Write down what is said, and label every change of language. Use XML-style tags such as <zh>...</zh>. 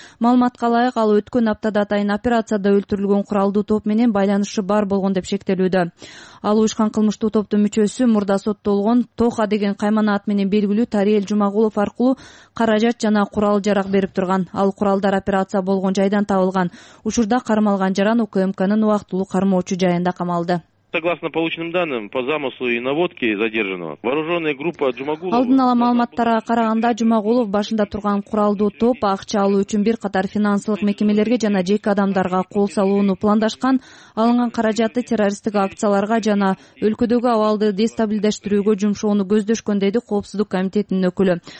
<ky>Маалыматка ылайык, ал өткөн аптада атайын операцияда өлтүрүлгөн куралдуу топ менен байланышы бар болгон деп шектелүүдө. Ал уюшкан кылмыштуу топтун мүчөсү, мурда соттолгон Тоха деген каймана ат менен белгилүү Тарел Жумагулов аркылуу каражат жана курал жарак берип турган. Ал куралдар операция болгон жайдан табылган. Учурда кармалган Жаран УКМКнын убактылуу кармоочу жайында камалды.</ky> <ru>Согласно полученным данным, по замыслу и наводке задержанного, вооруженная группа Жумагулова...</ru> <ky>Алдын ала маалыматтарга караганда, Жумагулов башында турган куралдуу топ акча алуу үчүн бир катар финансылык мекемелерге жана жеке адамдарга кол салууну пландашкан, алынган каражатты террористтик акцияларга жана өлкөдөгү абалды дестабилдештирүүгө жумшоону көздөшкөн, деди Коопсуздук комитетинин өкүлү.</ky>